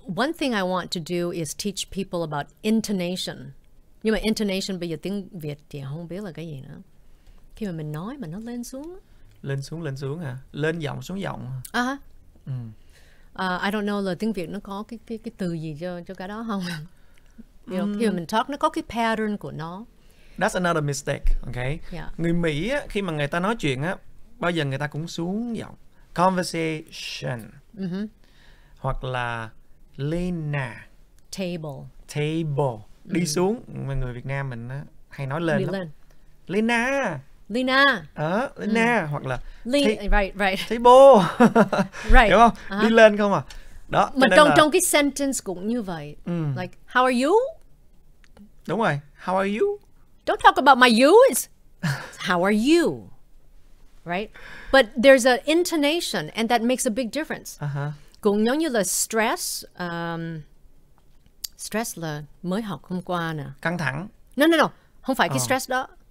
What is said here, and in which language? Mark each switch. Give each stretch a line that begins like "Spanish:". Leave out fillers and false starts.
English: One thing I want to do is teach people about intonation.
Vietnamese: Nhưng mà intonation bây giờ tiếng Việt thì không biết là cái gì nữa. Khi mà mình nói mà nó lên xuống. Lên xuống hả? Lên giọng xuống giọng. Uh-huh. Mm.
English: I don't know
Vietnamese: là tiếng Việt nó có cái từ gì cho cái đó không? You know, khi mà mình talk nó có cái pattern của nó.
English: That's another mistake, okay? Yeah.
Vietnamese: Người Mỹ á, khi mà người ta nói chuyện á, bao giờ người ta cũng xuống giọng.
English: Conversation. Mm-hmm.
Vietnamese: Hoặc là Leyna.
English: Table.
Vietnamese: Table. Đi xuống. Người Việt Nam mình á, hay nói lên. Lên. Leyna. Leyna. Leyna. Hoặc là
English: Right. Table. Right.
Vietnamese: Đúng không? Uh-huh. Đi lên không à? Đó. Mà trong cái sentence cũng như vậy.
English: Like, how are you?
Vietnamese: Đúng rồi.
English: How are you? Don't talk about my yous. How are you? Right? But there's an intonation and that makes a big difference. Uh-huh.
Vietnamese: Cũng giống như là stress. Stress là mới học hôm qua nè. Căng thẳng.
English: No.
Vietnamese: Không phải cái stress đó.